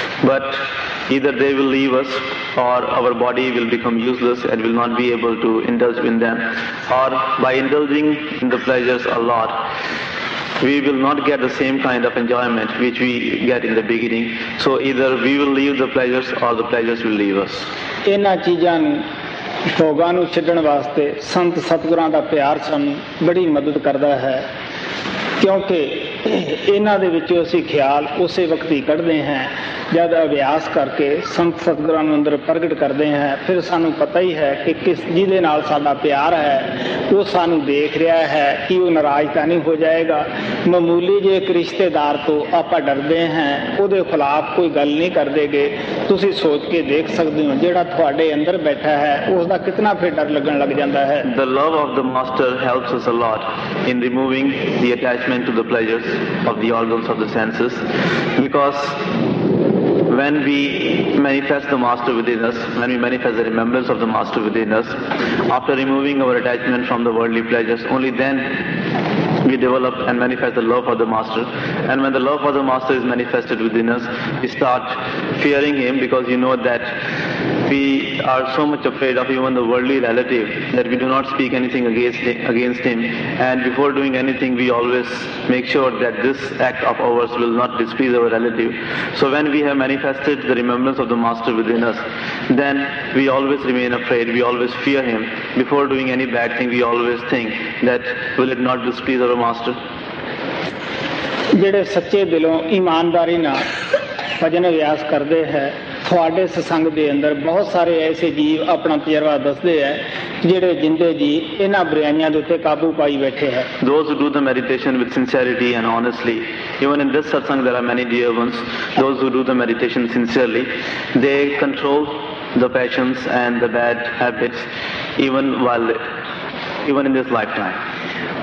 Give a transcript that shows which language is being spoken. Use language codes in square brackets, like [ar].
[en] but either they will leave us or our body will become useless and will not be able to indulge in them or by indulging in the pleasures a lot we will not get the same kind of enjoyment which we get in the beginning so either we will leave the pleasures or the pleasures will leave us [pa] ena chijan ਭੋਗਾਂ ਨੂੰ ਛੱਡਣ ਵਾਸਤੇ ਸੰਤ ਸਤਿਗੁਰਾਂ ਦਾ ਪਿਆਰ ਸਾਨੂੰ ਬੜੀ ਮਦਦ ਕਰਦਾ ਹੈ ਕਿਉਂਕਿ ਇਹਨਾਂ ਦੇ ਵਿੱਚੋਂ ਅਸੀਂ ਖਿਆਲ ਉਸੇ ਵਕਤ ਹੀ ਕੱਢਦੇ ਹਾਂ ਜਦ ਅਭਿਆਸ ਕਰਕੇ ਸੰਤ ਸਤਿਗੁਰਾਂ ਨੂੰ ਅੰਦਰ ਪ੍ਰਗਟ ਕਰਦੇ ਹਾਂ ਫਿਰ ਸਾਨੂੰ ਪਤਾ ਹੀ ਹੈ ਕਿ ਕਿਸ ਜਿਹਦੇ ਨਾਲ ਸਾਡਾ ਪਿਆਰ ਹੈ ਉਹ ਸਾਨੂੰ ਦੇਖ ਰਿਹਾ ਹੈ ਕਿ ਉਹ ਨਾਰਾਜ਼ ਤਾਂ ਨਹੀਂ ਹੋ ਜਾਏਗਾ ਮਾਮੂਲੀ ਜੇ ਇੱਕ ਰਿਸ਼ਤੇਦਾਰ ਤੋਂ ਆਪਾਂ ਡਰਦੇ ਹਾਂ ਉਹਦੇ ਖਿਲਾਫ ਕੋਈ ਗੱਲ ਨਹੀਂ ਕਰਦੇ ਗੇ ਤੁਸੀਂ ਸੋਚ ਕੇ ਦੇਖ ਸਕਦੇ ਹੋ ਜਿਹੜਾ ਤੁਹਾਡੇ ਅੰਦਰ ਬੈਠਾ ਹੈ ਉਸਦਾ ਕਿਤਨਾ ਫਿਰ ਡਰ ਲੱਗਣ ਲੱਗ ਜਾਂਦਾ ਹੈ [en] The love of the master helps us a lot in removing the attachment to the pleasures of the organs of the senses because when we manifest the master within us when we manifest the remembrance of the master within us after removing our attachment from the worldly pleasures only then we develop and manifest the love for the master and when the love for the master is manifested within us we start fearing him because you know that we are so much afraid of even the worldly relative that we do not speak anything against him and before doing anything we always make sure that this act of ours will not displease our relative so when we have manifested the remembrance of the master within us then we always remain afraid we always fear him before doing any bad thing we always think that will it not displease our master [pa] ਜਿਹੜੇ ਸੱਚੇ ਦਿਲੋਂ ਇਮਾਨਦਾਰੀ ਨਾਲ ਭਜਨ ਅਭਿਆਸ ਕਰਦੇ ਹੈ ਤੁਹਾਡੇ ਸਤਸੰਗ ਦੇ ਅੰਦਰ ਬਹੁਤ ਸਾਰੇ ਐਸੇ ਜੀਵ ਆਪਣਾ ਤਜਰਬਾ ਦੱਸਦੇ ਹੈ ਜਿਹੜੇ ਜਿੰਦੇ ਜੀ ਇਹਨਾਂ ਬੁਰਾਈਆਂ ਦੇ ਉੱਤੇ ਕਾਬੂ ਪਾਈ ਬੈਠੇ ਹੈ [en] those do the meditation with sincerity and honestly even in this satsang there are many dear ones those do the meditation sincerely they control the passions and the bad habits even while even in this lifetime